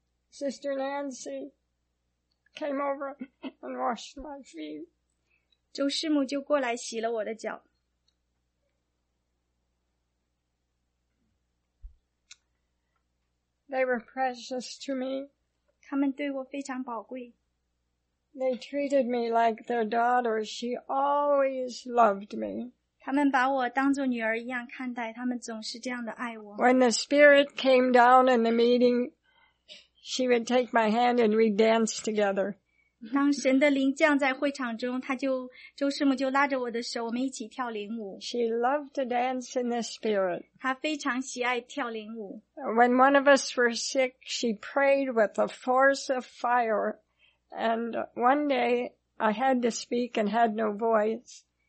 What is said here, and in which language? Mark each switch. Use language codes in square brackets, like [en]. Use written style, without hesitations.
[en] Sister Nancy came over and washed my feet. [zh] 周师母就过来洗了我的脚。 [en] They were precious to me. [zh] 他们对我非常宝贵。 [en] They treated me like their daughter. She always loved me. [zh] 他们把我当作女儿一样看待，他们总是这样的爱我。 [en] When the Spirit came down in the meeting, she would take my hand and we'd dance together. [zh] 当神的灵降在会场中，他就，周师母就拉着我的手，我们一起跳领舞。 [en] She loved to dance in the Spirit. [zh] 她非常喜爱跳领舞。 [en] When one of us were sick, she prayed with the force of fire. And one day, I had to speak and had no voice.